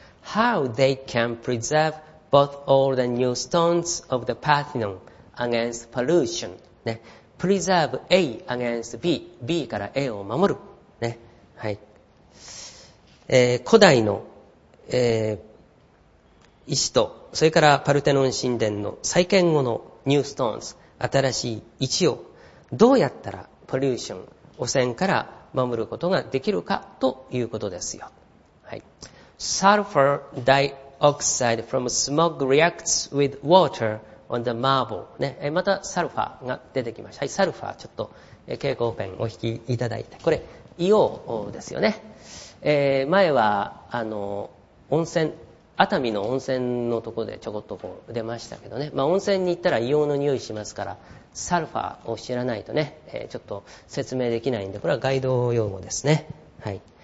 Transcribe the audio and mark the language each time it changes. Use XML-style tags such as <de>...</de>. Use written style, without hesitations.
<en>How they can preserve both old and new stones of the Parthenon against pollution? ね、 preserve A against B、</en> <ja>B から A を守る。ね。はい。古代の、石と、それからパルテノン神殿の再建後のニューストーンズ、新しい石をどうやったらポリューション、汚染から守ることができるかということですよ。はい。</ja> <en>Sulfur dioxide from smog reacts with water on the marble.</en> <ja>ね。また、サルファーが出てきました。はい、サルファー、ちょっと、蛍光ペンを引きいただいて。これ、硫黄ですよね。前は、温泉、熱海の温泉のところでちょこっとこう出ましたけどね。まあ、温泉に行ったら硫黄の匂いしますから、サルファーを知らないとね、ちょっと説明できないんで、これはガイド用語ですね。はい。</ja>